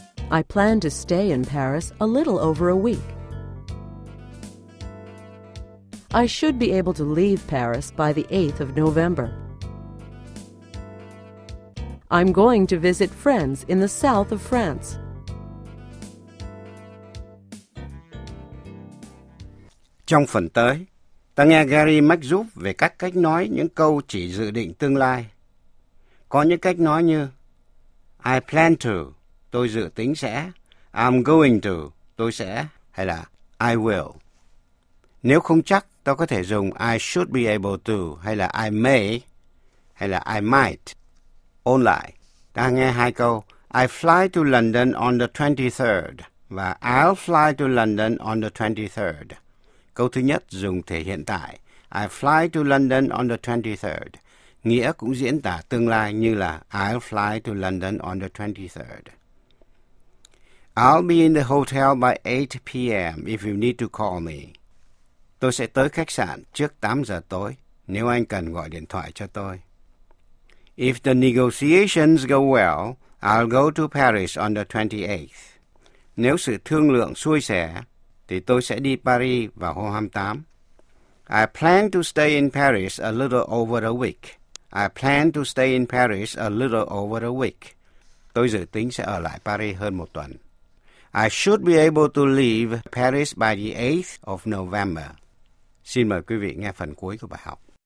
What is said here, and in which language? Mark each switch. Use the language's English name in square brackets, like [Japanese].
[English] I plan to stay in Paris a little over a week. I should be able to leave Paris by the 8th of November. I'm going to visit friends in the south of France. [Vietnamese] Trong phần tới, ta nghe Gary mách giúp về các cách nói những câu chỉ dự định tương lai. Có những cách nói như I plan to, tôi dự tính sẽ, I'm going to, tôi sẽ, hay là I will. Nếu không chắc, tôi có thể dùng I should be able to, hay là I may, hay là I might. [English] Ôn lại, ta nghe hai câu. I fly to London on the 23rd và I'll fly to London on the 23rd. [Vietnamese] Câu thứ nhất dùng thể hiện tại. [English] I fly to London on the 23rd. [Vietnamese] Nghĩa cũng diễn tả tương lai như là [English] I'll fly to London on the 23rd. I'll be in the hotel by 8 p.m. if you need to call me. [Vietnamese] Tôi sẽ tới khách sạn trước 8 giờ tối nếu anh cần gọi điện thoại cho tôi. [English] If the negotiations go well, I'll go to Paris on the 28th. [Vietnamese] Nếu sự thương lượng xuôi sẻ, thì tôi sẽ đi Paris vào hôm 28. [English] I plan to stay in Paris a little over a week. I plan to stay in Paris a little over a week. [Vietnamese] Tôi dự tính sẽ ở lại Paris hơn một tuần. [English] I should be able to leave Paris by the 8th of November. [Vietnamese] Xin mời quý vị nghe phần cuối của bài học.